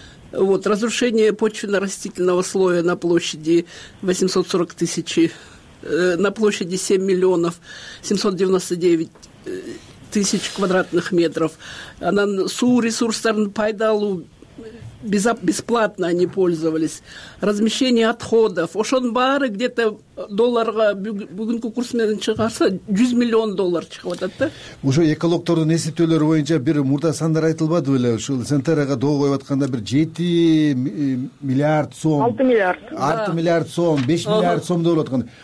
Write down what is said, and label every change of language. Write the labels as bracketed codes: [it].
[ru] Вот разрушение почвенно-растительного слоя на площади 840 тысяч, на площади 7 799 000 квадратных метров. [ky] Анан суу ресурстарын пайдалуу [ru] бесплатно они пользовались, размещение отходов. [ky] Ошон баары где-то долларга бүгүнкү курс менен чыгарса 100 миллион доллар чыгып атат да. Ошо экологтордун эсептөөлөрү боюнча бир мурда сандар айтылбады беле? Ушул Сентерага доо коюп атканда бир 7 миллиард сом. 6 миллиард. 6 миллиард сом, 5 миллиард сом деп аткан.